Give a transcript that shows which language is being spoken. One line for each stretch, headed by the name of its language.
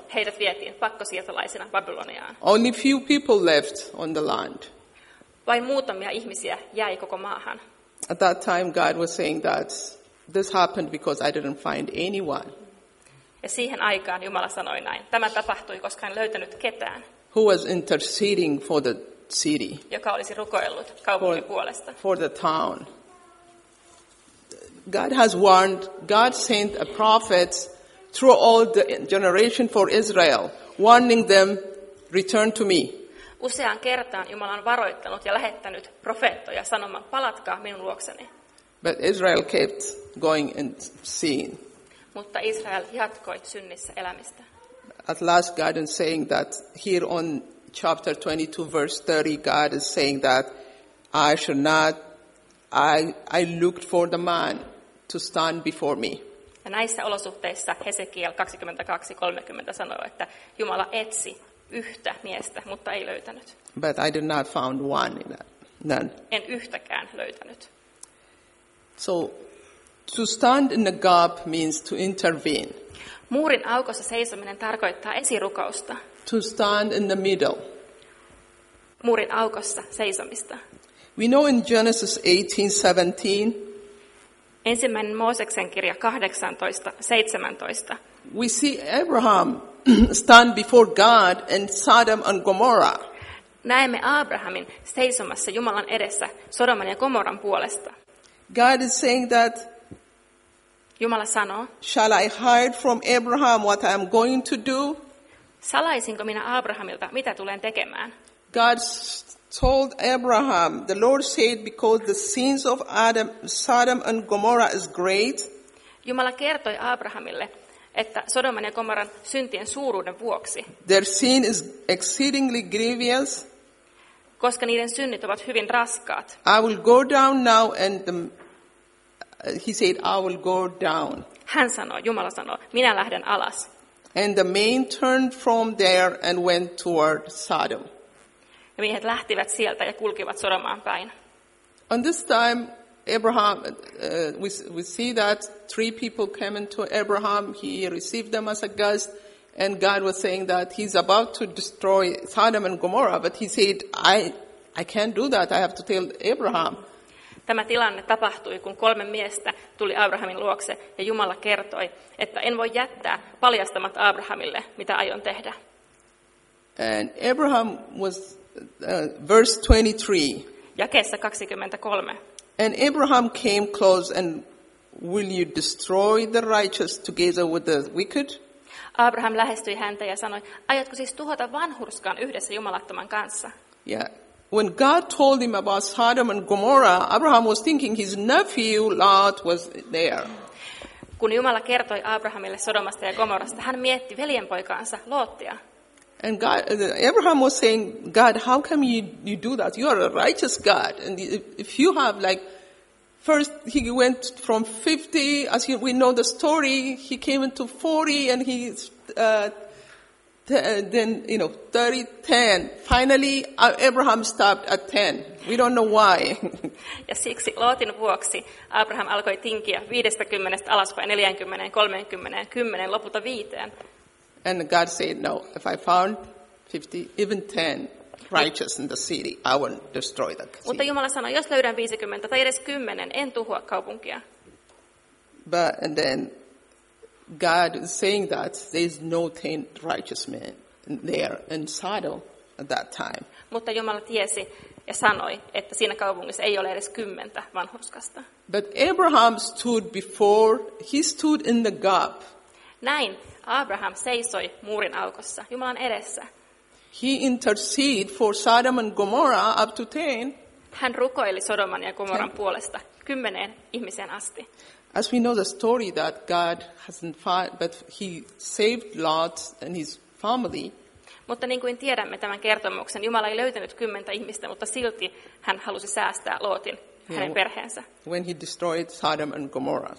Finnish: Heidät vietiin pakkosiirtolaisina Babyloniaan.
English: Only few people left on the land.
Finnish: Vain muutamia ihmisiä jäi koko maahan.
English: At that time God was saying that this happened because I didn't find anyone.
Finnish: Ja siihen aikaan Jumala sanoi näin. Tämä tapahtui, koska en löytänyt ketään.
English: Who was interceding for the city?
Finnish: Joka olisi rukoillut kaupungin puolesta.
English: For the town. God has warned, God sent a prophet through all the generation for Israel, warning them, return to me.
Finnish: Useaan kertaan Jumala on varoittanut ja lähettänyt profeettoja sanomaan, palatkaa minun luokseni.
English: But Israel kept going in sin.
Finnish: Mutta Israel jatkoi synnissä elämistä.
English: At last God is saying that here on chapter 22 verse 30, God is saying that I should not, I looked for the man to stand before me.
Finnish: Ja näissä olosuhteissa Hezekiel 22:30 sanoi, että Jumala etsi yhtä miestä, mutta ei löytänyt.
English: But I did not found one in that. None.
Finnish: En yhtäkään löytänyt.
English: So to stand in the gap means to intervene.
Finnish: Muurin aukossa seisominen tarkoittaa esirukousta.
English: To stand in the middle.
Finnish: Muurin aukossa seisomista.
English: We know in Genesis 18:17.
Finnish: Ensimmäinen Mooseksen kirja 18:17.
English: We see Abraham stand before God and Sodom and Gomorrah.
Finnish: Näemme Abrahamin seisomassa Jumalan edessä Sodoman ja Gomorran puolesta.
English: God is saying that
Finnish: Jumala sanoo,
English: shall I hide from Abraham what I am going to do?
Finnish: Salaisinko minä Abrahamilta, mitä tulen tekemään?
English: God told Abraham, the Lord said, because the sins of Adam, Sodom and Gomorrah is great.
Finnish: Jumala kertoi Abrahamille, että Sodoman ja Gomorran syntien suuruuden vuoksi.
English: Their sin is exceedingly grievous.
Finnish: Koska niiden synnit ovat hyvin raskaat.
English: I will go down now and he said, I will go down.
Finnish: Hän sanoi, Jumala sanoi, minä lähden alas.
English: And the men turned from there and went toward Sodom.
Finnish: Ja miehet lähtivät sieltä ja kulkivat Sodomaan päin.
English: On this time, Abraham, we see that three people came into Abraham. He received them as a guest. And God was saying that he's about to destroy Sodom and Gomorrah. But he said, I can't do that. I have to tell Abraham.
Finnish: Tämä tilanne tapahtui, kun 3 miestä tuli Abrahamin luokse ja Jumala kertoi, että en voi jättää paljastamatta Abrahamille, mitä aion tehdä.
English: And Abraham was verse 23.
Finnish: Jakeessa 23.
English: And Abraham came close and will you destroy the righteous together with the wicked?
Finnish: Abraham lähestyi häntä ja sanoi, aiotko siis tuhota vanhurskaan yhdessä jumalattoman kanssa?
English: Yeah. When God told him about Sodom and Gomorrah, Abraham was thinking his nephew Lot was there.
Finnish: Kun Jumala kertoi Abrahamille Sodomasta ja Gomorrasta, hän mietti veljenpoikaansa Lottia.
English: And God, Abraham was saying, God, how come you do that? You are a righteous God. And if you have like, first he went from 50, as we know the story, he came into 40 and he's... then, you know, 30, 10. Finally, Abraham stopped at 10. We don't know why.
Finnish: Ja siksi Lootin vuoksi Abraham alkoi tinkiä 50 alaspäin 40, 30, 10, lopulta 5.
English: And God said, no, if I found 50, even 10 righteous in the city, I won't destroy that city.
Finnish: Mutta Jumala sanoi, jos löydän 50 tai edes 10, en tuhoa kaupunkia.
English: But, and then... God is saying that there is no 10 righteous men there in Sodom at that time.
Finnish: Mutta Jumala tiesi ja sanoi, että siinä kaupungissa ei ole edes 10 vanhurskasta.
English: But Abraham stood before, he stood in the gap.
Finnish: Näin Abraham seisoi muurin aukossa, Jumalan edessä.
English: He interceded for Sodom and Gomorrah up to 10.
Finnish: Hän rukoili Sodoman ja Gomorran puolesta 10 ihmiseen asti.
English: As we know the story that God hasn't found, but he saved Lot and his family.
Finnish: Mutta niin kuin tiedämme tämän kertomuksen, Jumala ei löytänyt 10 ihmistä, mutta silti hän halusi säästää Lotin, hänen perheensä.
English: When he destroyed Sodom and Gomorrah.